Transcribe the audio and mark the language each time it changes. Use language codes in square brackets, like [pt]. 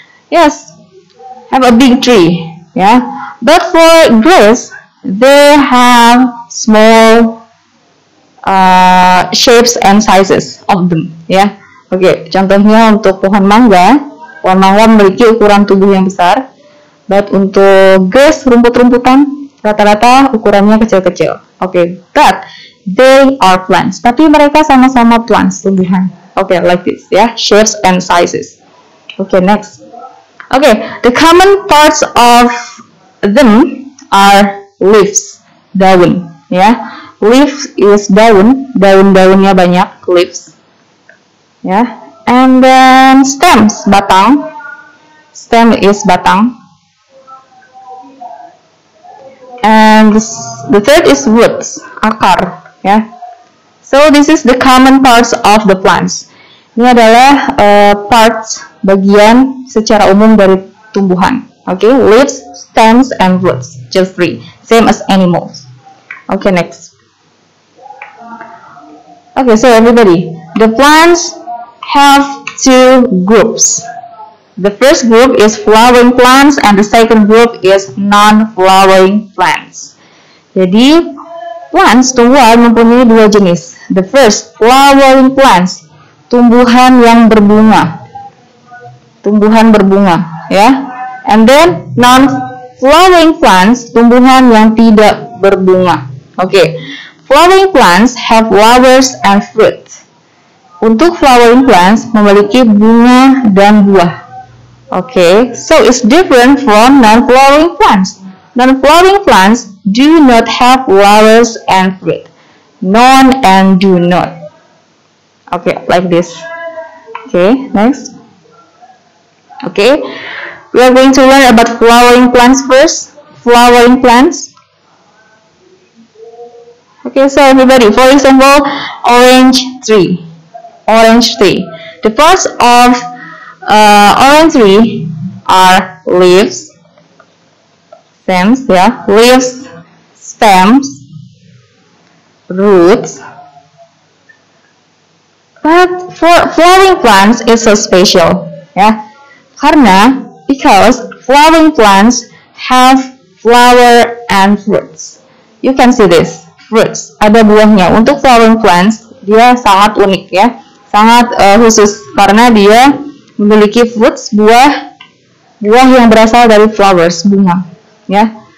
[en] Yes, have a big tree, yeah. But for grass, they have small shapes and sizes of them, yeah. [id] Okay, contohnya untuk pohon mangga memiliki ukuran tubuh yang besar, but untuk grass, rumput-rumputan, rata-rata ukurannya kecil-kecil. [en] Okay, but they are plants, [id] tapi mereka sama-sama [en] plants, tumbuhan. Okay, like this, yeah, shapes and sizes. Okay, next. Okay, the common parts of them are leaves, daun, yeah. Leaves is daun, [id] daun-daunnya banyak, [en] leaves, ya. Yeah. And then stems, batang, stem is batang. And the third is roots, akar, ya. Yeah. So this is the common parts of the plants. [id] Ini adalah parts, bagian secara umum dari tumbuhan. [en] Okay, leaves, stems, and roots, just three, same as animals. Okay, next. Okay, so everybody, the plants have two groups. The first group is flowering plants and the second group is non-flowering plants. [id] Jadi, plants tumbuhan mempunyai dua jenis. [en] The first, flowering plants, [id] tumbuhan yang berbunga. Tumbuhan berbunga, ya. Yeah? [en] And then non-flowering plants, [id] tumbuhan yang tidak berbunga. [en] Okay. Flowering plants have flowers and fruit. [id] Untuk flowering plants memiliki bunga dan buah. [en] Okay, so it's different from non-flowering plants. Non-flowering plants do not have flowers and fruit. non and do not. Okay, like this. Okay, next. Okay, we are going to learn about flowering plants first. Flowering plants. Okay, so everybody, for example, orange tree. Orange tree. The parts of orange tree are leaves, stems, yeah, leaves, stems, roots. But for flowering plants, it's so special, yeah. [id] Karena, [en] because flowering plants have flower and fruits. You can see this, fruits, [id] ada buahnya. Untuk flowering plants, dia sangat unik, ya. Sangat khusus, karena dia memiliki fruits, buah, buah yang berasal dari flowers, bunga, ya.